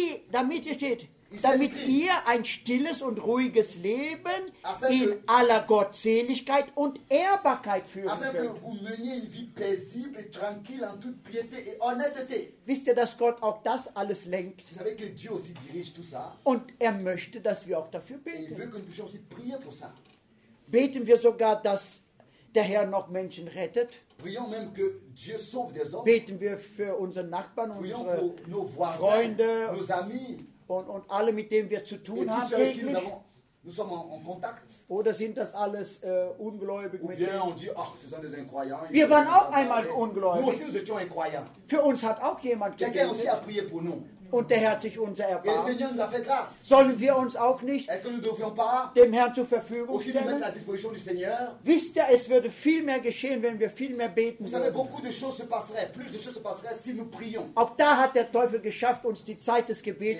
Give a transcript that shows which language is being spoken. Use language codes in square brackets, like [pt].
[de] Damit ihr steht, damit ihr ein stilles und ruhiges Leben in aller Gottseligkeit und Ehrbarkeit führen könnt. [fr] tranquille en toute piété et honnêteté. [de] Wisst ihr, dass Gott auch das alles lenkt? [fr] Vous savez que Dieu aussi dirige tout ça. [de] Und er möchte, dass wir auch dafür beten. [fr] Et il veut que nous puissions aussi prier pour ça. [de] Beten wir sogar, dass der Herr noch Menschen rettet? [fr] Prions même que Dieu sauve des hommes. [de] Beten wir für unsere Nachbarn, [fr] prions [de] unsere [fr] pour nos voisins, [de] Freunde, [fr] nos amis, [de] und alle, mit denen wir zu tun [fr] et [de] haben, [fr] tous ceux avec qui nous avons, nous sommes en contact. [de] Oder sind das alles Ungläubige? [fr] Ou bien on dit, ach, ce sont des incroyants. [de] Wir waren auch einmal ungläubig. [fr] Nous aussi, nous étions incroyants. [de] Für uns hat auch jemand gebetet. [fr] Quelqu'un aussi a prié pour nous. [de] Und der Herr hat sich unser erbarmt. [fr] Et le Seigneur nous a fait grâce. [de] Sollen wir uns auch nicht [fr] et que nous devions pas [de] dem Herrn zur Verfügung [fr] aussi [de] stellen? [fr] Nous mettre à la disposition du Seigneur. [de] Wisst ihr, es würde viel mehr geschehen, wenn wir viel mehr beten [fr] vous [de] würden. [fr] Savez, beaucoup de choses se passeraient. Plus de choses se passeraient si nous prions. [de] Auch da hat der Teufel geschafft, uns die Zeit des Gebetes